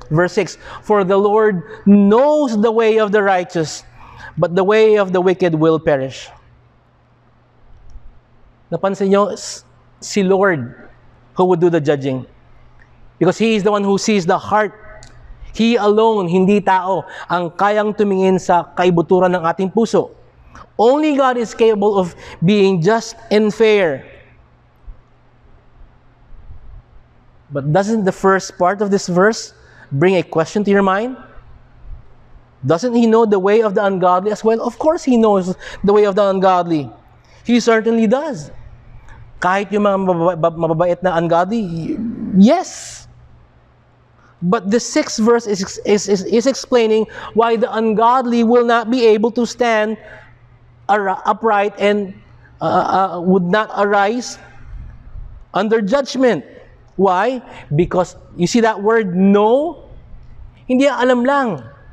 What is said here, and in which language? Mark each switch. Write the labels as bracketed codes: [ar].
[en] Verse 6, for the Lord knows the way of the righteous, but the way of the wicked will perish. [tl] Napansin nyo, [en] si Lord who would do the judging. Because He is the one who sees the heart. He alone, [tl] hindi tao, ang kayang tumingin sa kaibuturan ng ating puso. [en] Only God is capable of being just and fair. But doesn't the first part of this verse bring a question to your mind? Doesn't He know the way of the ungodly as well? Of course He knows the way of the ungodly. He certainly does. [tl] Kahit yung mga mababait na ungodly, yes. [en] But the sixth verse is explaining why the ungodly will not be able to stand upright and would not arise under judgment. Why? Because you see that word no? [tl] Hindi alam lang.